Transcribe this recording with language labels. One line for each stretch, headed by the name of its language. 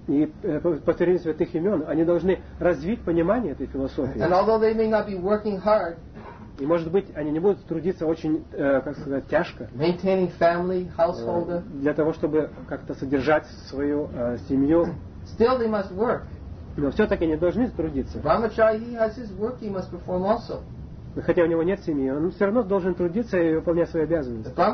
Russian: И повторение святых имен, они должны развить понимание этой философии.
English: And although they may not be working hard,
Russian: и может быть они не будут трудиться очень, тяжко.
English: Maintaining family, household.
Russian: Для того чтобы как-то содержать свою семью.
English: Still they must work.
Russian: Но все-таки они должны трудиться.
English: Brahmachari, he has his work he must perform also.
Russian: Хотя у него нет семьи, он все равно должен трудиться и выполнять свои обязанности.